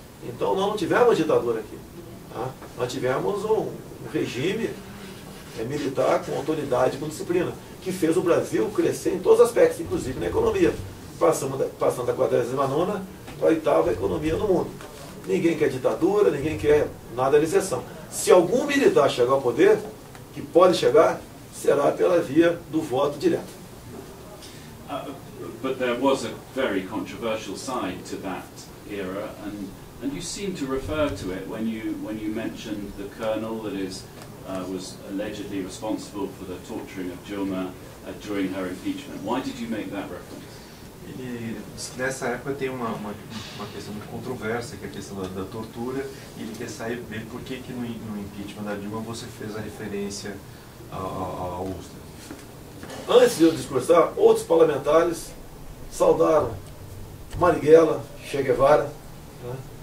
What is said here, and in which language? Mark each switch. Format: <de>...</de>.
<pt>Então, nós não tivemos ditadura aqui. Tá? Nós tivemos um regime militar com autoridade e com disciplina, que fez o Brasil crescer em todos os aspectos, inclusive na economia. Passando da 49ª para a 8ª economia no mundo. Ninguém quer ditadura, ninguém quer nada de exceção. Se algum militar chegar ao poder, que pode chegar, será pela via do voto direto.</pt> <en>But there was a very controversial side to that era, and you seem to refer to it when you mentioned the colonel that was allegedly responsible for the torturing of Dilma during her impeachment. Why did you make that reference?</en> <pt>Ele disse que nessa época tem uma questão muito controversa, que é a questão da tortura, e ele quer saber por que no impeachment da Dilma você fez a referência à Ustra. Antes de eu discursar, outros parlamentares saudaram Marighella, Che Guevara. Né?</pt>